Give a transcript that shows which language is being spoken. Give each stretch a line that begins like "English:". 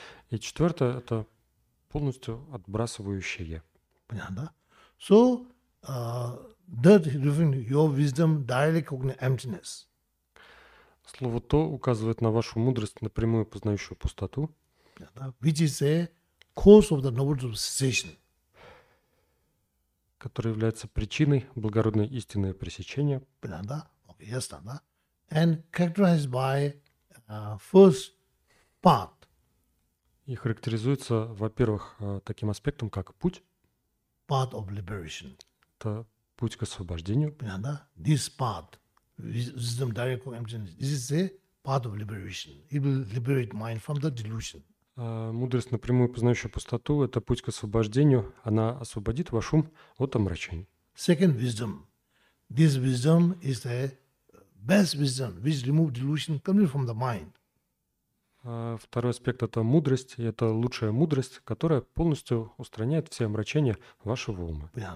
Russian: И четвертое – это полностью отбрасывающее. Понятно, да?
English: So, that refers to your wisdom directly cognizant emptiness.
Russian: Слово «то» указывает на вашу мудрость, напрямую познающую пустоту. Понятно, да?
English: Which is a cause of the knowledge of cessation.
Russian: Которая является причиной благородной истины пресечения. Понятно, да?
English: Okay,
Russian: ясно, да?
English: And characterized by first part.
Russian: И характеризуется, во-первых, таким аспектом, как путь.
English: Path of liberation.
Russian: Это путь к освобождению. Понятно, да?
English: This path, wisdom, direct emptiness, this is a path of liberation. It will liberate mind from the delusion.
Russian: Мудрость, напрямую познающая пустоту, это путь к освобождению. Она освободит ваш ум от омрачений.
English: Second wisdom. This wisdom is the best wisdom, which removes delusion completely from the mind.
Russian: Второй аспект – это мудрость, и это лучшая мудрость, которая полностью устраняет все омрачения вашего ума.